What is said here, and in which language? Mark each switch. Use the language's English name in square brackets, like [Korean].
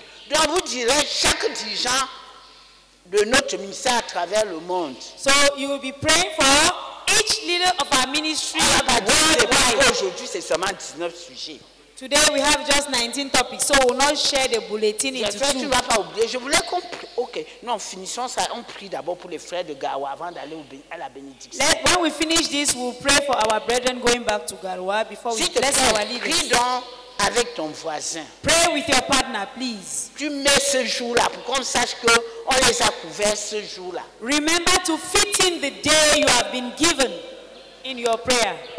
[French] Donc vous direz chaque dirigeant de notre ministère à travers le monde. [English] So you will be praying for each leader of our ministry worldwide. [French] Aujourd'hui, c'est seulement 19 sujets. [English] Today we have just 19 topics, so we'll not share the bulletin into two. [French] Je voulais qu'on prie. Ok, non, finissons ça. On prie d'abord pour les frères de Garoua avant d'aller à la bénédiction. [English] When we finish this, we'll pray for our brethren going back to Garoua before we bless our leaders. [French] Prie donc avec ton voisin. [English] Pray with your partner, please. [French] Tu mets ce jour-là pour qu'on sache qu'on les a couverts ce jour-là. [English] Remember to fit in the day you have been given in your prayer.